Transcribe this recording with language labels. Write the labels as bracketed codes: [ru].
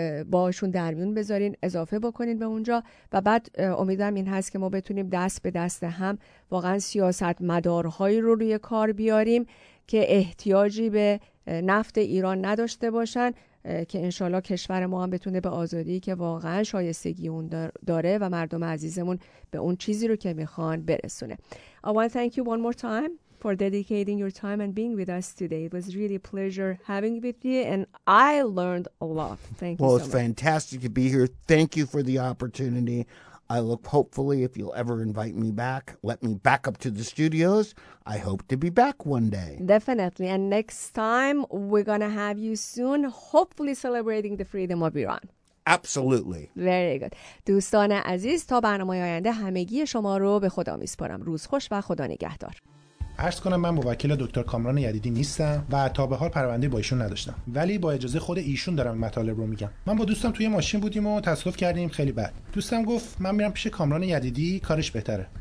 [fa] با ایشون درمیون بذارین، اضافه بکنین به اونجا و بعد امیدم این هست که ما بتونیم دست به دست هم واقعا سیاست مدارهایی رو روی کار بیاریم که احتیاجی به نفت ایران نداشته باشن، که انشالله کشور ما هم بتونه به آزادی که واقعا شایستگی اون داره و مردم عزیزمون به اون چیزی رو که میخوان برسونه. [en] I want to thank you one more time for dedicating your time and being with us today. It was really a pleasure having with you and I learned a lot. Thank you so much. Well, it's fantastic to be here. Thank you for the opportunity. I look, hopefully, if you'll ever invite me back, let me back up to the studios. I hope to be back one day. Definitely. And next time, we're going to have you soon, hopefully celebrating the freedom of Iran. Absolutely. Very good. [fa] دوستان عزیز، تا برنامه آینده همگی شما رو به خدا میسپارم. روز خوش و خدا نگهدار. عرض کنم من موکل دکتر کامران یدیدی نیستم و تا به حال پرونده با ایشون نداشتم، ولی با اجازه خود ایشون دارم مطالب رو میگم. من با دوستم توی ماشین بودیم و تصادف کردیم خیلی بد. دوستم گفت من میرم پیش کامران یدیدی، کارش بهتره.